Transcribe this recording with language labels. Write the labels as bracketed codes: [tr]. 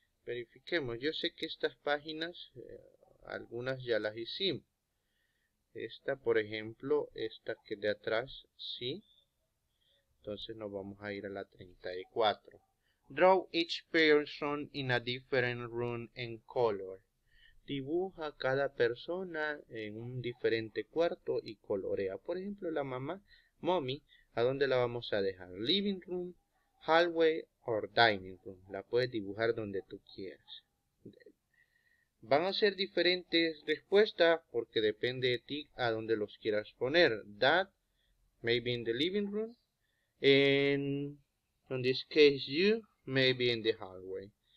[es] Verifiquemos, yo sé que estas páginas, algunas ya las hicimos. Esta, por ejemplo, esta que de atrás, sí. Entonces nos vamos a ir a la 34. [en] Draw each person in a different room and color. [es] Dibuja cada persona en un diferente cuarto y colorea. Por ejemplo, la mamá, mommy, ¿a dónde la vamos a dejar? [en] Living room, hallway or dining room. [es] La puedes dibujar donde tú quieras. Van a ser diferentes respuestas porque depende de ti a dónde los quieras poner. [en] Dad, maybe in the living room. And in this case, you, maybe in the hallway.